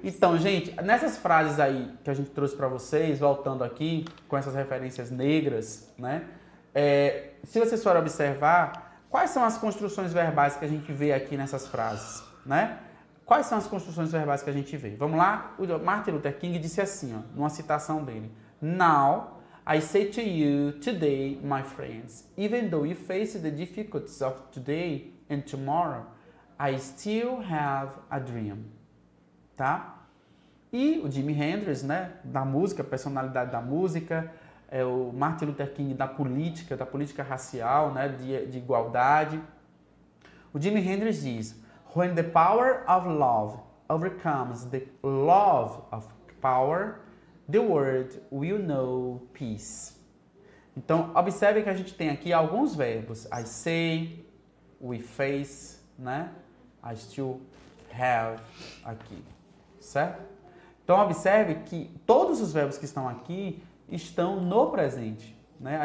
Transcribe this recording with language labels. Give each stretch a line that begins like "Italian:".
Portuguese: Então, gente, nessas frases aí que a gente trouxe pra vocês, voltando aqui, com essas referências negras, né? Se vocês forem observar, quais são as construções verbais que a gente vê aqui nessas frases, né? Quais são as construções verbais que a gente vê? Vamos lá? O Martin Luther King disse assim, ó, numa citação dele.
English: Now, I say to you today, my friends, even though you face the difficulties of today and tomorrow, I still have a dream.
Portuguese: Tá? E o Jimi Hendrix, né, da música, personalidade da música, o Martin Luther King da política racial, né, de igualdade. O Jimi Hendrix diz...
English: When the power of love overcomes the love of power, the world will know peace.
Portuguese: Então, observe que a gente tem aqui alguns verbos.
English: I say, we face,
Portuguese: né?
English: I still have
Portuguese: aqui, certo? Então, observe que todos os verbos que estão aqui estão no presente, né?